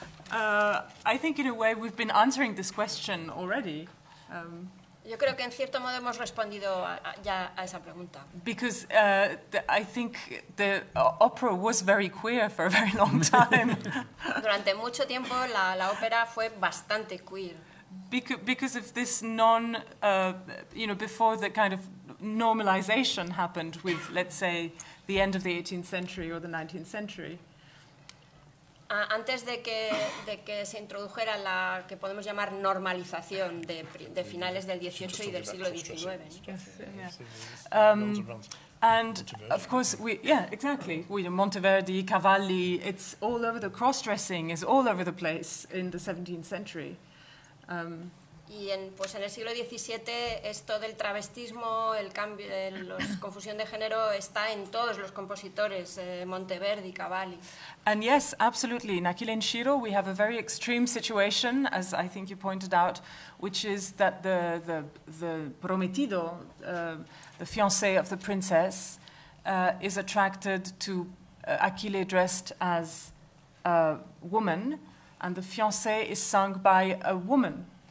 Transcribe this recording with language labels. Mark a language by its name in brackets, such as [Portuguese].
[English] I think in a way we've been answering this question already. [Spanish] Yo creo que en cierto modo hemos respondido ya a esa pregunta. [English] Because I think the opera was very queer for a very long time. [Spanish] Durante mucho tiempo la ópera fue bastante queer. [English] Because of this non, you know, before the kind of normalization happened with, let's say, the end of the 18th century or the 19th century. [Spanish] Antes de que se introdujera la que podemos llamar normalización de finales del 18 y del siglo 19. [English] And Monteverdi. Of course, Monteverdi, Cavalli. It's all over. The cross-dressing is all over the place in the 17th century. [Spanish] En el siglo XVII esto del travestismo, el cambio, la confusión de género está en todos los compositores, Monteverdi, Cavalli. [English] And yes, absolutely. In Achille and Shiro we have a very extreme situation, as I think you pointed out, which is that the prometido, the fiancé of the princess, is attracted to Achille dressed as a woman, and the fiancé is sung by a woman.